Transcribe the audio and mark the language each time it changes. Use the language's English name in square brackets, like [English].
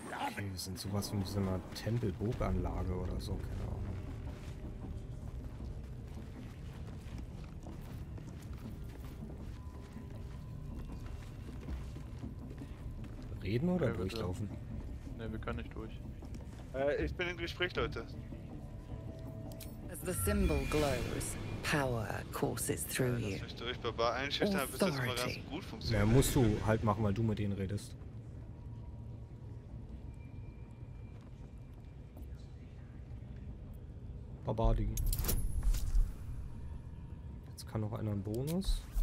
[German] Okay, wir sind sowas wie so einer Tempelburganlage oder so, keine Ahnung. Reden oder nee, durchlaufen? Ne, wir können nicht durch. Ich bin im Gespräch, Leute. [English] As the symbol glows, power courses through you. [German] Lass mich durch, Baba. Einschüchtern, bis das mal ganz gut funktioniert. Ja, musst du halt machen, weil du mit denen redest. Baba, Digi. Jetzt kann noch einer einen Bonus.